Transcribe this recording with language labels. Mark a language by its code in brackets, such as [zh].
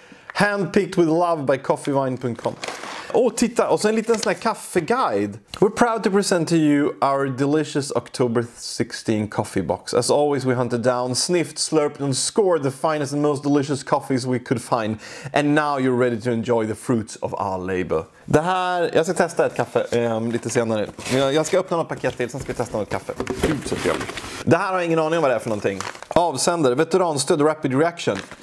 [en] Handpicked with love by coffeevine.com. [sv] Åh, titta, och så en liten sån här kaffeguide. [en] We're proud to present to you our delicious October 16 coffee box. As always, we hunted down, sniffed, slurped and scored the finest and most delicious coffees we could find. And now you're ready to enjoy the fruits of our labor. [sv] Det här, jag ska testa ett kaffe lite senare. Jag ska öppna något paket till, sen ska vi testa något kaffe. Det här har ingen aning om vad det är för någonting. Avsändare, veteranstöd, rapid reaction.